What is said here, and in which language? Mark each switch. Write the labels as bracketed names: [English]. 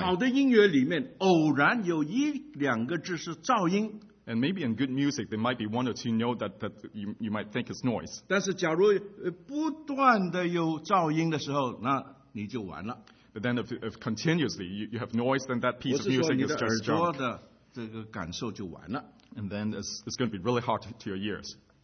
[Chinese] 好的音乐里面, 偶然有一两个字是噪音。 [English] And maybe in good music, there might be one or two notes that you might think is noise. [Chinese] 但是假如不断的有噪音的时候, 那你就完了。 [English] But then if continuously you have noise, then that piece of music is just junk. [Chinese] 我是说你的耳朵的这个感受就完了。 [English] And then it's going to be really hard to your ears.